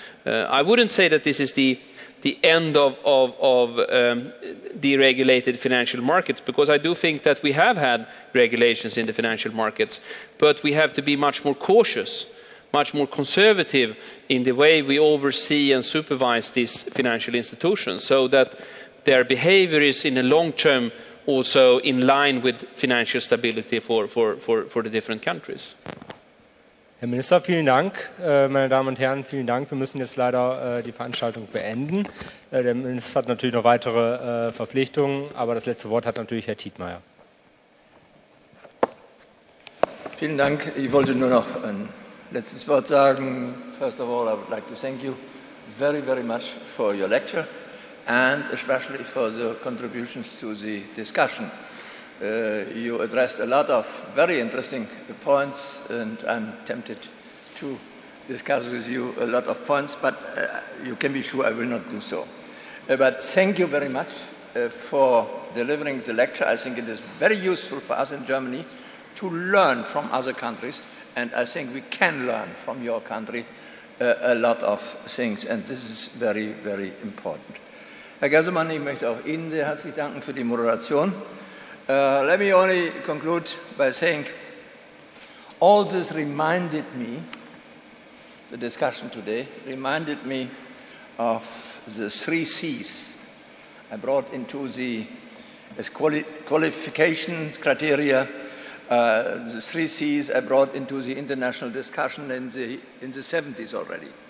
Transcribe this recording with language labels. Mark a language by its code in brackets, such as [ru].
[en] I wouldn't say that this is the end of deregulated financial markets, because I do think that we have had regulations in the financial markets, but we have to be much more cautious, much more conservative in the way we oversee and supervise these financial institutions so that their behavior is in the long term also in line with financial stability for the different countries. [de] Herr Minister, vielen Dank. Meine Damen und Herren, vielen Dank. Wir müssen jetzt leider die Veranstaltung beenden. Der Minister hat natürlich noch weitere Verpflichtungen, aber das letzte Wort hat natürlich Herr Tietmeier. Vielen Dank. Ich wollte nur noch ein letztes Wort sagen. [en] First of all, I would like to thank you very, very much for your lecture. And especially for the contributions to the discussion. You addressed a lot of very interesting points, and I'm tempted to discuss with you a lot of points, but you can be sure I will not do so. But thank you very much for delivering the lecture. I think it is very useful for us in Germany to learn from other countries, and I think we can learn from your country a lot of things, and this is very, very important. [de] Herr Gersemann, ich möchte auch Ihnen sehr herzlich danken für die Moderation. [en] Let me only conclude by saying, all this reminded me, the discussion today, reminded me of the three C's I brought into the qualifications criteria, the three C's I brought into the international discussion in the 70s already.